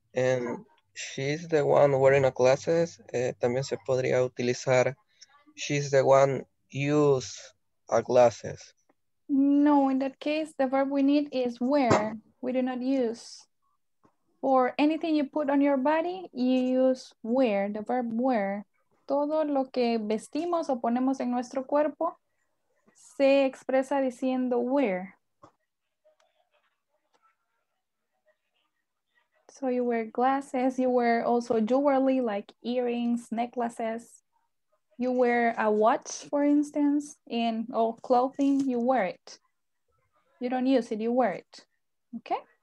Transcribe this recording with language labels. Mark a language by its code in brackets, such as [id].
[en] And she's the one wearing a glasses. [es] También se podría utilizar. [en] She's the one use a glasses. No, in that case, the verb we need is wear. We do not use. For anything you put on your body, you use wear, the verb wear. [es] todo lo que vestimos o ponemos en nuestro cuerpo se expresa diciendo wear. [en] So you wear glasses, you wear also jewelry like earrings, necklaces. You wear a watch, for instance, in all clothing, you wear it. You don't use it, you wear it. Okay?